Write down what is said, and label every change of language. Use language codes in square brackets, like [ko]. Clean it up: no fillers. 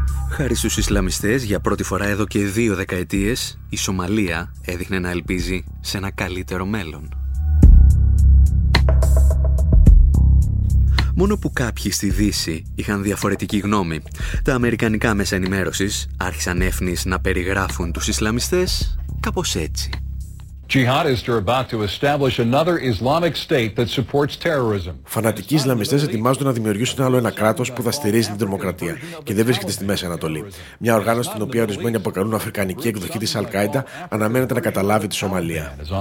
[el] Χάρη στους Ισλαμιστές, για πρώτη φορά εδώ και δύο δεκαετίες, η Σομαλία έδειχνε να ελπίζει σε ένα καλύτερο μέλλον. Μόνο που κάποιοι στη Δύση είχαν διαφορετική γνώμη. Τα αμερικανικά μέσα ενημέρωσης άρχισαν εύνης να περιγράφουν τους Ισλαμιστές κάπως έτσι. [en] Jihadists are about to establish another Islamic state that supports terrorism. [el] Φανατικοί Ισλαμιστές ετοιμάζονται να δημιουργήσουν άλλο ένα κράτος που θα στηρίζει την τρομοκρατία και δεν βρίσκεται στη Μέση Ανατολή. Μια οργάνωση την οποία ορισμένοι αποκαλούν αφρικανική εκδοχή της Αλ-Κάιντα αναμένεται να καταλάβει τη Σομαλία.